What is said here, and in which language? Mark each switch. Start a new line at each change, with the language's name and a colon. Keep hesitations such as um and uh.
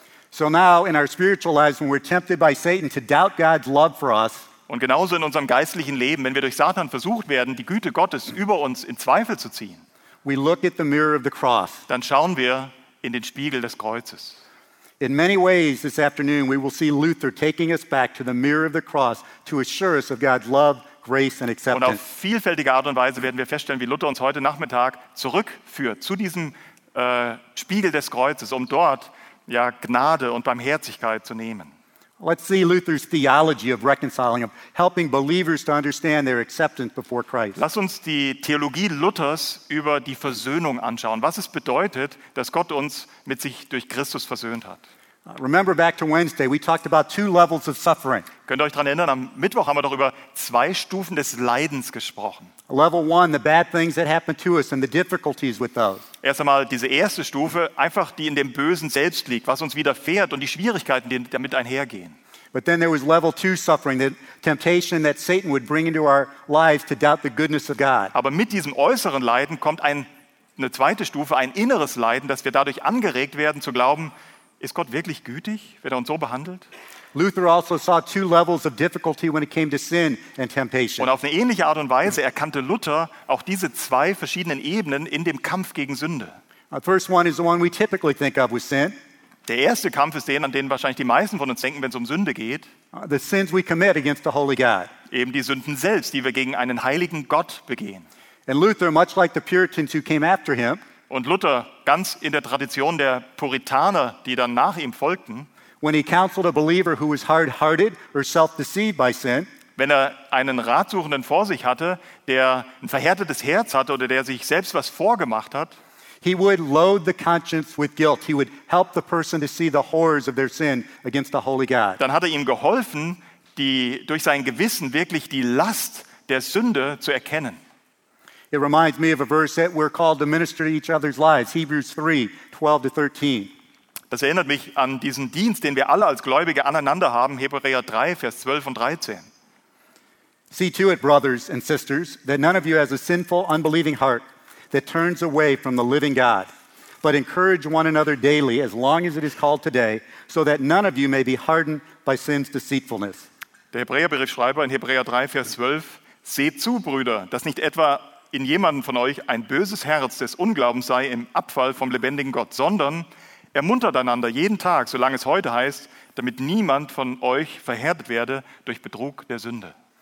English: So now in our spiritual lives, when we're tempted by Satan to doubt God's love for us,
German: und genauso in unserem geistlichen Leben, wenn wir durch Satan versucht werden, die Güte Gottes über uns in Zweifel zu ziehen,
English: we look at the mirror of the cross.
German: Dann schauen wir in den Spiegel des Kreuzes.
English: In many ways, this afternoon we will see Luther taking us back to the mirror of the cross to assure us of God's love, grace, and acceptance.
German: Und auf vielfältige Art und Weise werden wir feststellen, wie Luther uns heute Nachmittag zurückführt zu diesem Uh, Spiegel des Kreuzes, um dort ja, Gnade und Barmherzigkeit zu nehmen.
English: Let's see Luther's theology of reconciling, of helping believers to understand their acceptance before Christ.
German: Lass uns die Theologie Luthers über die Versöhnung anschauen. Was es bedeutet, dass Gott uns mit sich durch Christus versöhnt hat. Könnt ihr euch daran erinnern, am Mittwoch haben wir darüber zwei Stufen des Leidens gesprochen.
English: Level one, the bad things that happen to us and the difficulties with those.
German: Erst einmal diese erste Stufe, einfach die in dem Bösen selbst liegt, was uns widerfährt und die Schwierigkeiten, die damit einhergehen.
English: But then there was level two suffering, the temptation that Satan would bring into our lives to doubt the goodness of God.
German: Aber mit diesem äußeren Leiden kommt ein, eine zweite Stufe, ein inneres Leiden, dass wir dadurch angeregt werden zu glauben, ist Gott wirklich gütig, wenn er uns so behandelt?
English: Luther also saw two levels of difficulty when it came to sin and temptation.
German: Und auf eine ähnliche Art und Weise erkannte Luther auch diese zwei verschiedenen Ebenen in dem Kampf gegen Sünde.
English: The first one is the one we typically think of with sin.
German: Der erste Kampf ist der, an den wahrscheinlich die meisten von uns denken, wenn es um Sünde geht.
English: The sins we commit against the holy God.
German: Eben die Sünden selbst, die wir gegen einen heiligen Gott begehen.
English: And Luther, much like the Puritans who came after him,
German: und Luther ganz in der Tradition der Puritaner, die dann nach ihm folgten,
English: sin,
German: wenn er einen Ratsuchenden vor sich hatte, der ein verhärtetes Herz hatte oder der sich selbst was vorgemacht hat,
English: he
German: Dann hat er ihm geholfen, die durch sein Gewissen wirklich die Last der Sünde zu erkennen.
English: it reminds me of a verse that we're called to minister to each other's lives Hebrews 3 12 to 13.
German: Das erinnert mich an diesen Dienst, den wir alle als Gläubige aneinander haben, Hebräer 3, Vers 12 und 13.
English: See to it, brothers and sisters, that none of you has a sinful, unbelieving heart that turns away from the living God, but encourage one another daily as long as it is called today, so that none of you may be hardened by sin's deceitfulness.
German: Der Hebräerberichtschreiber in Hebräer 3, Vers 12, seht zu, Brüder, dass nicht etwa in jemanden von euch ein böses Herz des Unglaubens sei im Abfall vom lebendigen Gott, sondern ermuntert einander jeden Tag, solange es heute heißt, damit niemand von euch verhärtet werde durch Betrug der Sünde.